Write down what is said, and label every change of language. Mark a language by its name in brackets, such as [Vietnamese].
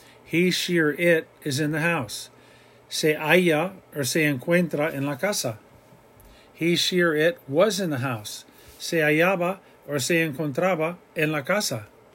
[English] He, she, or it is in the house. [Spanish] Se halla or se encuentra en la casa. [English] He, she, or it was in the house. [Spanish] Se hallaba or se encontraba en la casa.